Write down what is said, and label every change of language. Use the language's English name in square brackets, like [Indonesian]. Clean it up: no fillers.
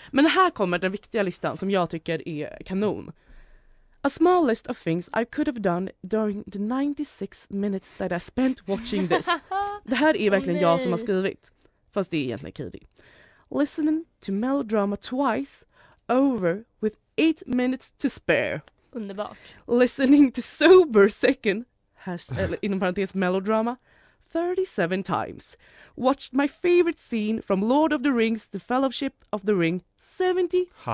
[Swedish] Men här kommer den viktiga listan som jag tycker är kanon. [English] A small list of things I could have done during the 96 minutes that I spent watching this. [Swedish] Det här är verkligen jag som har skrivit. Fast det är egentligen Kiri. [English] Listening to melodrama twice over with 8 minutes to spare. [Swedish] Underbart. [English] Listening to sober second, [Swedish] inom parentes [English] melodrama, 37 times. Watched my favorite scene from Lord of the Rings, The Fellowship of the Ring, 72